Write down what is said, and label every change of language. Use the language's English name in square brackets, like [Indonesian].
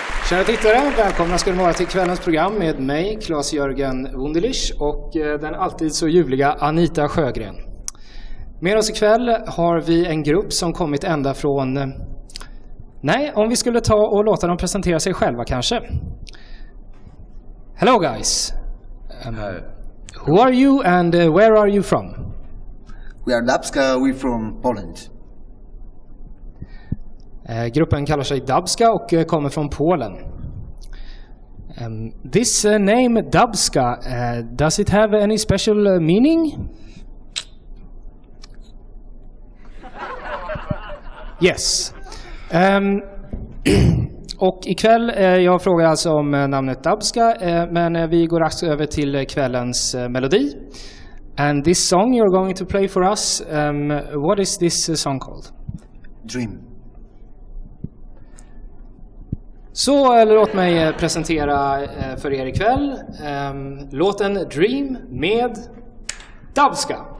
[Swedish] Kära tittare, välkomna ska ni vara till kvällens program med mig, Claes-Jörgen Wunderlich, och den alltid så ljuvliga Anita Sjögren. Med oss ikväll har vi en grupp som kommit ända från... Nej, om vi skulle ta och låta dem presentera sig själva kanske. [English] Hello guys. Who are you and where are you from? We are Dabska, we from Poland. [Swedish] Gruppen kallar sig Dabska och kommer från Polen. [English] This name Dabska, does it have any special meaning? Yes. [Swedish] Och ikväll, jag frågar alltså om namnet Dabska, men vi går rakt över till kvällens melodi. [English] And this song you're going to play for us, what is this song called? Dream. [Swedish] Så, låt mig presentera för er ikväll låten Dream med Dabska.